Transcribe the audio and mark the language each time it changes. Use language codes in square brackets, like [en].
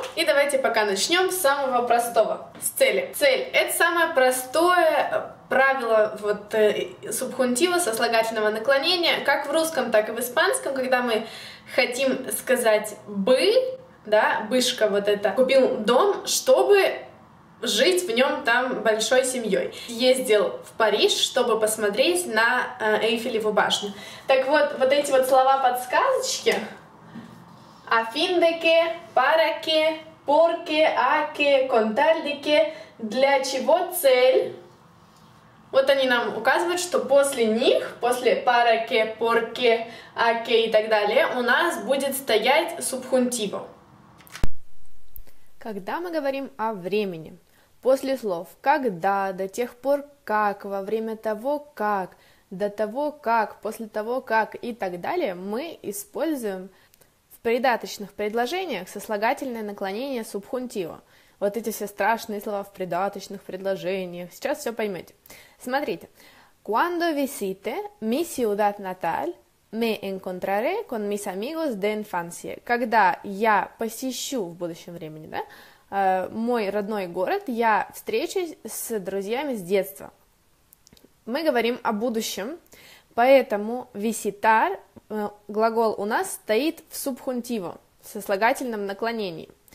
[ru] И давайте пока начнем с самого простого, с цели. Цель — это самое простое правило вот субхунтива, сослагательного наклонения, как в русском, так и в испанском, когда мы хотим сказать «бы», да, «бышка» вот это, «купил дом, чтобы жить в нем там большой семьей. Ездил в Париж, чтобы посмотреть на Эйфелеву башню». Так вот, вот эти вот слова-подсказочки: [es] «a fin de que», «para que», «por que», «a que», «con tal de que», [ru] «для чего цель». Вот они нам указывают, что после них, после [es] «para que», «por que», «a que» [ru] и так далее, у нас будет стоять субхунтиво. Когда мы говорим о времени, после слов «когда», «до тех пор как», «во время того как», «до того как», «после того как» и так далее, мы используем в придаточных предложениях сослагательное наклонение субхунтиво. Вот эти все страшные слова в придаточных предложениях, сейчас все поймете. Смотрите. [es] «Cuando visite mi ciudad natal, me encontraré con mis amigos de infancia». [ru] Когда я посещу в будущем времени, да, мой родной город, я встречусь с друзьями с детства. Мы говорим о будущем, поэтому visitar, глагол у нас стоит в субхунтиво, в сослагательном наклонении.